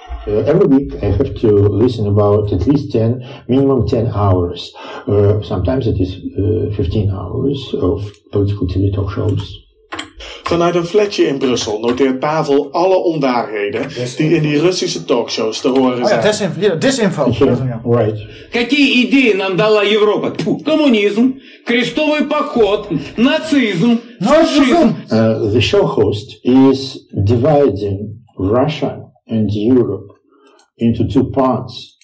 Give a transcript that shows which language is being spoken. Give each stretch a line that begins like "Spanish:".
English: Every week I have to listen about at least 10, minimum 10 hours. Sometimes it is 15 hours of political TV talk shows.
Dutch: Vanuit een flatje in Brussel noteert Pavel alle ondaarheden die in die Russische talkshows te horen zijn. Oh ja, disinfo.
English: Right.
Russian: Какие идеи нам дала Европа? Коммунизм, крестовый поход, нацизм, фашизм.
English: The show host is dividing Russia and Europe into 2 parts.